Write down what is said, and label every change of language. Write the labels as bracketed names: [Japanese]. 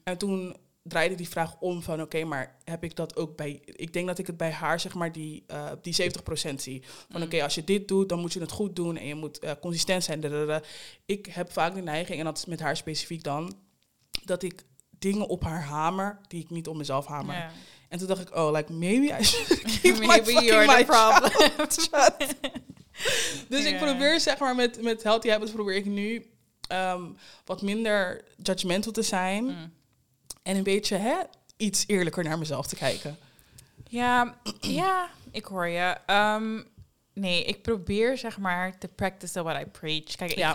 [Dutch] En toen draaide die vraag om van, oké, maar heb ik dat ook bij, ik denk dat ik het bij haar zeg maar die 70% zie. Van oké, als je dit doet, dan moet je het goed doen en je moet consistent zijn. Ik heb vaak de neiging, en dat is met haar specifiek dan, dat ik dingen op haar hamer die ik niet op mezelf hamer. Ja. En toen dacht ik, [English] oh, like, maybe I should keep maybe my fucking mind shut. [Dutch] Dus ik probeer zeg maar met [English] healthy habits [Dutch] probeer ik nu wat minder judgmental te zijn. Mm. en een beetje iets eerlijker naar mezelf te kijken. Ja, ja, ik hoor je. Nee, ik probeer zeg maar [English] to practice what I preach. [Dutch] Kijk, ja.